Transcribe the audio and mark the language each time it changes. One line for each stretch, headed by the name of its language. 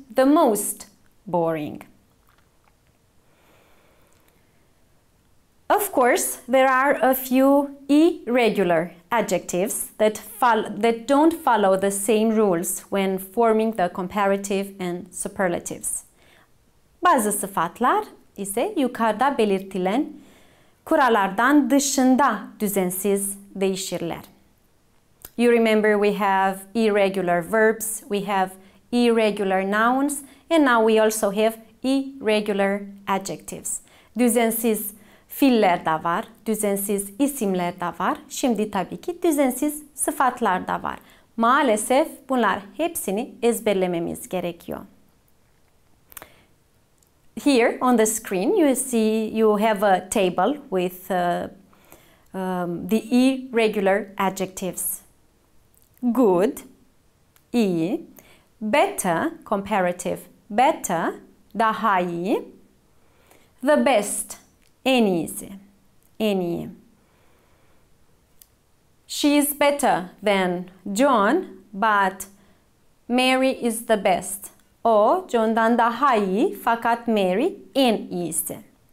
English: The most boring. Of course, there are a few irregular adjectives that don't follow the same rules when forming the comparative and superlatives.
Turkish: Bazı sıfatlar ise yukarıda belirtilen kurallardan dışında düzensiz değişirler.
English: You remember we have irregular verbs, we have irregular nouns, and now we also have irregular adjectives.
Turkish: Düzensiz fiiller de var, düzensiz isimler de var, şimdi tabii ki düzensiz sıfatlar da var. Maalesef bunlar hepsini ezberlememiz gerekiyor.
English: Here on the screen you see you have a table with the irregular adjectives. Good,
Turkish: iyi,
English: better, comparative, better,
Turkish: daha iyi,
English: the best,
Turkish: en iyisi, en iyi.
English: She is better than John, but Mary is the best.
Turkish: O, John'dan daha iyi, fakat Mary en iyisi.